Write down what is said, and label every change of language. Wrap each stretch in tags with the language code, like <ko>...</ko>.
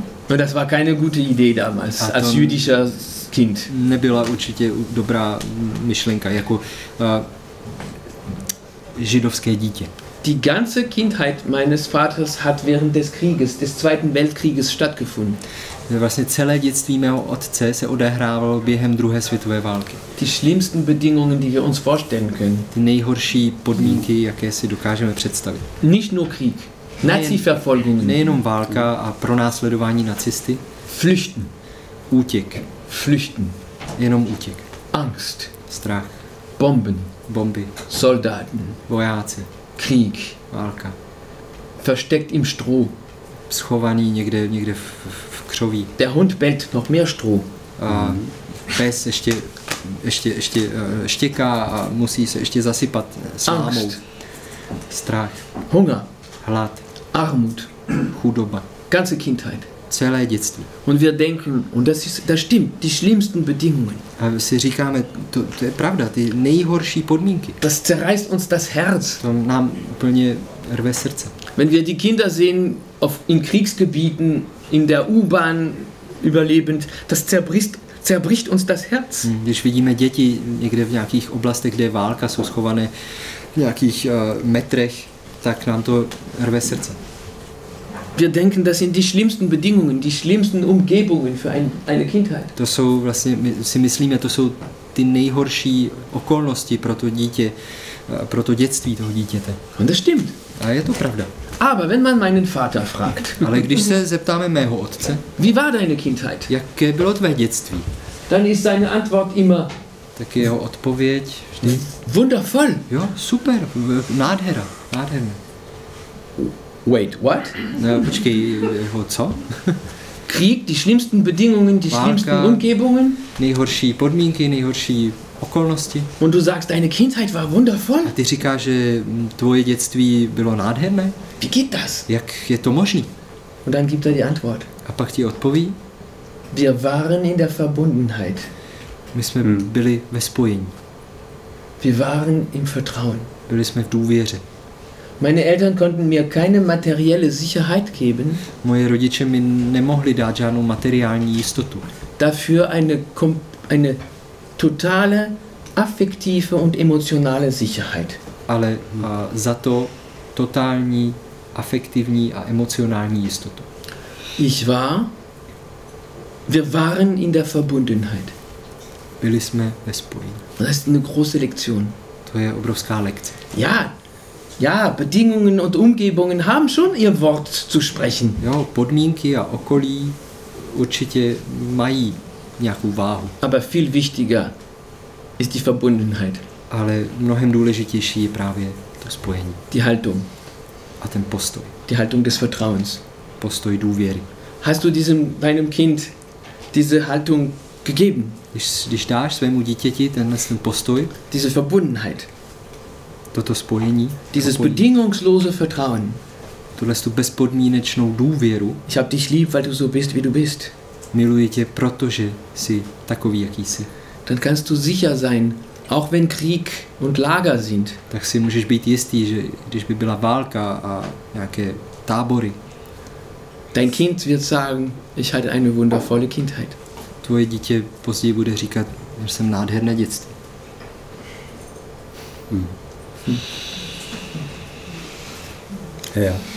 <de>No, das war keine gute Idee damals, als jüdischer Kind.</de> <cs>Nebyla určitě dobrá myšlenka, jako židovské dítě.</cs> <de>Die ganze Kindheit meines Vaters hat während des Krieges, des Zweiten Weltkrieges stattgefunden.</de> <cs>Vlastně celé dětství mého otce se odehrávalo během druhé světové války.</cs> <de>Die schlimmsten Bedingungen, die wir uns vorstellen können.</de> <cs>Ty nejhorší podmínky, jaké si dokážeme představit.</cs> <de>Nicht nur Krieg. Nazi-verfolgung.</de> <cs>Nejenom válka a pronásledování nacisty.</cs> <de>Flüchten.</de> <cs>Útěk.</cs> <de>Flüchten.</de> <cs>Jenom útěk.</cs> <de>Angst.</de> <cs>Strach.</cs> <de>Bomben.</de> <cs>Bomby.</cs> <de>Soldaten.</de> <cs>Vojáci.</cs> <de>Krieg.</de> <cs>Válka.</cs> <de>Versteckt im Stroh.</de> <cs>Schovaný někde v křoví.</cs> <de>Der Hund bellt noch mehr Stroh.</de> <cs>Pes ještě štěká a musí se ještě zasypat slámou. Strach.</cs> <de>Hunger.</de> <cs>Hlad.</cs> <de>Armut.</de> <cs>Chudoba.</cs> <de>Ganze Kindheit.</de> <cs>Celé dětství.</cs> <de>Und wir denken, und das stimmt, die schlimmsten Bedingungen.</de> <cs>A si říkáme, to je pravda, ty nejhorší podmínky.</cs> <de>Das zerreißt uns das Herz.</de> <cs>To nám úplně rve srdce.</cs> <de>Wenn wir die Kinder sehen, in Kriegsgebieten, in der U-Bahn überlebend, das zerbricht uns das Herz.</de> <cs>Když vidíme děti někde v nějakých oblastech, kde je válka, jsou schované v nějakých metrech, tak nám to rve srdce.</cs> <de>Wir denken, das sind die schlimmsten Bedingungen, die schlimmsten Umgebungen für eine Kindheit.</de> <cs>To jsou vlastně, my si myslíme, to jsou ty nejhorší okolnosti pro to dítě, pro to dětství toho dítěte.</cs> <de>Und das stimmt.</de> <cs>A je to pravda.</cs> <de>Aber wenn man meinen Vater fragt.</de> <cs>Ale když se zeptáme mého otce.</cs> <de>Wie war deine Kindheit?</de> <cs>Jaké bylo tvé dětství?</cs> <de>Dann ist seine Antwort immer.</de> <cs>Tak jeho odpověď vždy.</cs> <de>Wundervoll.</de> <cs>Jo, super, nádhera, nádherné.</cs> <en>Wait, what?</en> <cs>Počkej, jeho co?</cs> <de>Krieg, die schlimmsten Bedingungen, die schlimmsten Umgebungen.</de> <cs>Nejhorší podmínky, nejhorší okolnosti.</cs> <de>Und du sagst, deine Kindheit war wundervoll.</de> <cs>A ty říkáš, že tvoje dětství bylo nádherné.</cs> <de>Wie geht das?</de> <cs>Jak je to možný?</cs> <de>Und dann gibt die Antwort.</de> <cs>A pak ti odpoví.</cs> <de>Wir waren in der Verbundenheit.</de> <cs>My jsme byli ve spojení.</cs> <de>Wir waren im Vertrauen.</de> <cs>Byli jsme v důvěře.</cs> <de>Meine Eltern konnten mir keine materielle Sicherheit geben.</de> <cs>Moje rodiče mi nemohli dát žádnou materiální jistotu.</cs> <de>Dafür eine totale affektive und emotionale Sicherheit.</de> <cs>Ale za to totální afektivní a emocionální jistotu.</cs> <de>Wir waren in der Verbundenheit.</de> <cs>Byli jsme ve spojení.</cs> <de>Das ist eine große Lektion.</de> <cs>To je obrovská lekce.</cs> <de>Ja. Ja, Bedingungen und Umgebungen haben schon ihr Wort zu sprechen.</de> <cs>Jo, podmínky a okolí určitě mají nějakou váhu.</cs> <de>Aber viel wichtiger ist die Verbundenheit.</de> <cs>Ale mnohem důležitější je právě to spojení.</cs> <de>Die Haltung.</de> <cs>A ten postoj.</cs> <de>Die Haltung des Vertrauens.</de> <cs>Postoj důvěry.</cs> <de>Hast du deinem Kind diese Haltung gegeben?</de> <cs>Když dáš svému dítěti ten postoj?</cs> <de>Diese Verbundenheit.</de> <cs>Toto spojení.</cs> <de>Dieses bedingungslose Vertrauen.</de> <cs>Tuhle tu bezpodmínečnou důvěru.</cs> <de>Ich hab dich lieb, weil du so bist, wie du bist.</de> <cs>Miluji tě, protože jsi takový, jaký jsi.</cs> <de>Dann kannst du sicher sein, auch wenn Krieg und Lager sind.</de> <cs>Tak si můžeš být jistý, že když by byla válka a nějaké tábory.</cs> <de>Dein Kind wird sagen, ich hatte eine wundervolle Kindheit.</de> <cs>Tvoje dítě později bude říkat, že jsem nádherné dětství.</cs> <de>Ja.</de>